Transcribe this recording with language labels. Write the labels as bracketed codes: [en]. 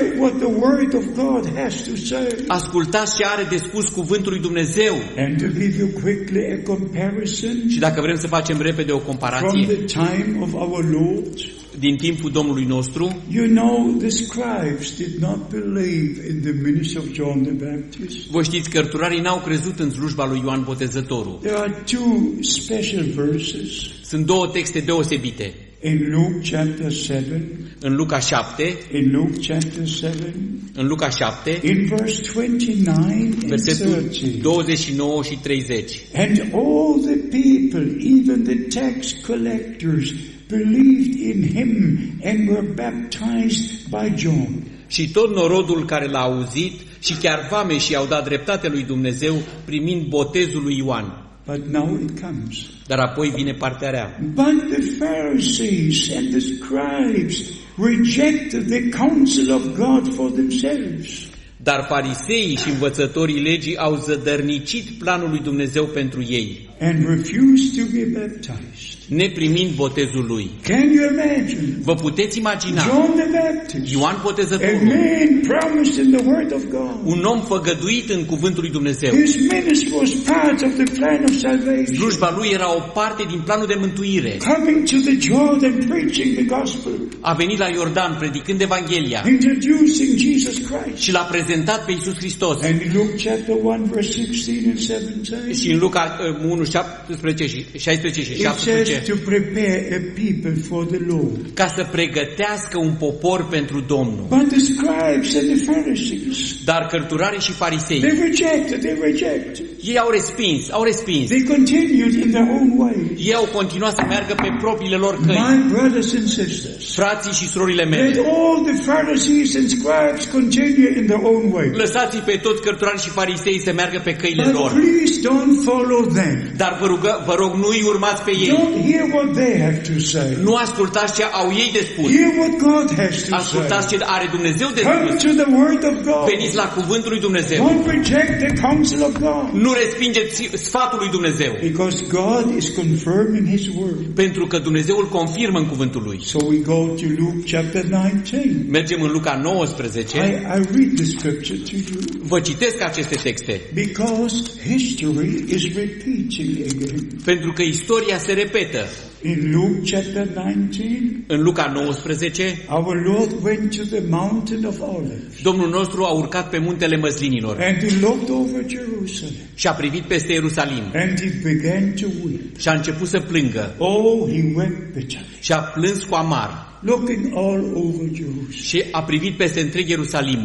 [en] What the word of God has to say. [ro] Ascultați ce are de spus cuvântul lui Dumnezeu. [en] And to give you quickly a comparison. [ro] Și dacă vrem să facem repede o comparație. [en] From the time of our Lord. [ro] Din timpul Domnului nostru. [en] You know, the scribes did not believe in the ministry of John the Baptist. [ro] Voi știți, cărturarii n-au crezut în slujba lui Ioan Botezătorul. [en] There are two special verses. [ro] Sunt două texte deosebite. [en] In Luke chapter 7. [ro] În Luca 7. [en] In Luke chapter 7. [ro] În Luca 7. [en] In verse 29 and 30. [ro] Versetul 29 și 30. [en] And all the people, even the tax collectors, believed in him and were baptized by John. [ro] Și tot norodul care l-a auzit și chiar vameșii au dat dreptate lui Dumnezeu primind botezul lui Ioan. [en] But now it comes. [ro] Dar apoi vine partea rea. [en] But the Pharisees and the scribes rejected the counsel of God for themselves. [ro] Dar fariseii și învățătorii legii au zădărnicit planul lui Dumnezeu pentru ei. [en] And refused to be baptized. [ro] Neprimind botezul lui. [en] Can you imagine? [ro] Vă puteți imagina? [en] John the Baptist, [ro] Ioan Botezătorul. [en] A man promised in the word of God. [ro] Un om făgăduit în cuvântul lui Dumnezeu. [en] His ministry was part of the plan of salvation. [ro] Slujba lui era o parte din planul de mântuire. [en] Coming to the Jordan preaching the gospel. [ro] A venit la Iordan predicând Evanghelia. [en] Introducing Jesus Christ. [ro] Și l-a prezentat pe Iisus Hristos. [en] And in Luke chapter 1 verse 16 and 17. [ro] Și în Luca 1 17 și 16 și 17. [en] It says to prepare a people for the Lord. [ro] Ca să pregătească un popor pentru Domnul. [en] But the scribes and the Pharisees. [ro] Dar cărturarii și farisei. [en] They rejected, they rejected. [ro] Ei au respins, au respins. [en] They continued in their own way. [ro] Ei au continuat să meargă pe propriile lor căi. [en] My brothers and sisters. [ro] Frații și surorile mele. [en] Let all the Pharisees and scribes continue in their own way. [ro] Lăsați-i pe toți cărturarii și farisei să meargă pe căile lor. [en] Please don't follow them. [ro] Dar vă rog, nu îi urmați pe ei. [en] Don't hear what they have to say. [ro] Nu ascultați ce au ei de spus. [en] Hear what God has to say. [ro] Ascultați ce are Dumnezeu de spus. [en] Come to the word of God. [ro] Veniți la cuvântul lui Dumnezeu. [en] Don't reject the counsel of God. [ro] Nu respingeți sfatul lui Dumnezeu. [en] Because God is confirming his word. [ro] Pentru că Dumnezeu îl confirmă în cuvântul lui. [en] So we go to Luke chapter 19. [ro] Mergem în Luca 19. [en] I read the scripture to you. [ro] Vă citesc aceste texte. [en] Because history is repeating again. [ro] Pentru că istoria se repetă. [en] In Luke chapter 19. [ro] În Luca 19. [en] Our Lord went to the mountain of Olives. [ro] Domnul nostru a urcat pe muntele măslinilor. [en] And he looked over Jerusalem. [ro] Și a privit peste Ierusalim. [en] And he began to weep. [ro] Și a început să plângă. [en] Oh, he wept bitterly. [ro] Și a plâns cu amar. [en] Looking all over Jerusalem. [ro] Și a privit peste întreg Ierusalim.